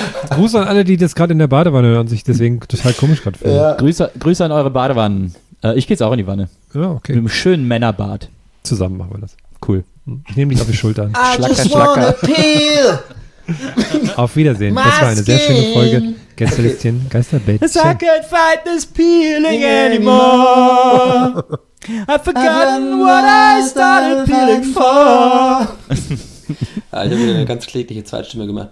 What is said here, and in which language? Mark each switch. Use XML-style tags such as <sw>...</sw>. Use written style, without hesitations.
<de>Gruß an alle, die das gerade in der Badewanne hören und sich deswegen total komisch gerade fühlen. Ja. Grüße an eure Badewannen. Ich gehe jetzt auch in die Wanne. Ja, okay. Mit einem schönen Männerbad. Zusammen machen wir das. Cool. Ich nehme dich auf die Schultern. Schlacker, schlacker. Auf Wiedersehen. Das war eine sehr schöne Folge. Gästelistchen, Geisterbällchen.</de> <en>I can't fight this peeling anymore. I've forgotten what I started peeling for.</en> <de>Ja, ich habe wieder eine ganz klägliche Zweitstimme gemacht.</de>